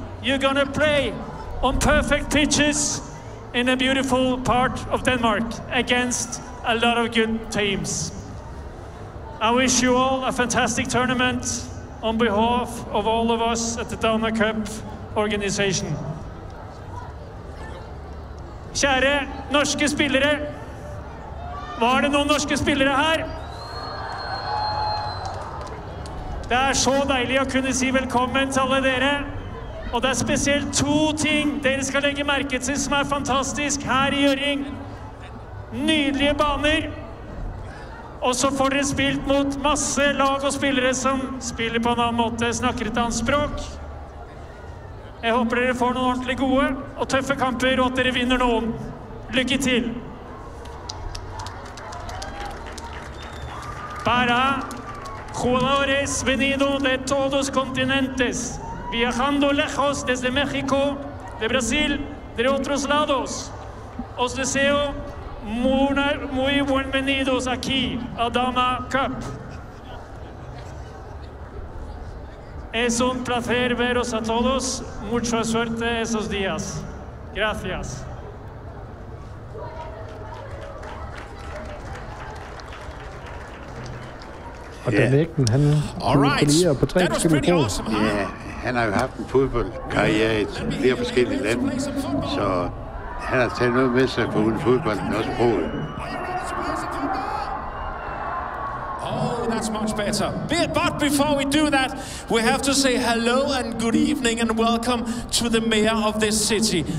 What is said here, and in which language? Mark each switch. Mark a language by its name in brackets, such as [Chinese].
[English] You're gonna play on perfect pitches in a beautiful part of Denmark against a lot of good teams. I wish you all a fantastic tournament on behalf of all of us at the Danacup organization. [Norwegian] Kjære norske spillere, var det noen norske spillere her? Det er så deilig å kunne si velkommen til alle dere. Og det er spesielt to ting dere skal legge merke til som er fantastisk her i Jøring. Nydelige baner, og så får dere spilt mot masse lag og spillere som spiller på en annen måte, snakker et annet språk. Jeg håper dere får noen ordentlig gode og tøffe kamper, og at dere vinner noen. Lykke til! [Spanish] Para jugadores venido de todos continentes, viajando lejos desde México, de Brasil, de otros lados, os deseo muy bienvenidos aquí a Dana Cup. Es un placer veros a todos. Mucha suerte esos días. Gracias. [Danish] Og Dan Ecken, han kunne på tre forskellige ja, han har jo haft en fodboldkarriere i flere forskellige lande, så han har taget noget med sig for uden fodbold, men også prøvet. [English] Oh, that's much better. But before we do that, we have to say hello and good evening and welcome to the mayor of this city.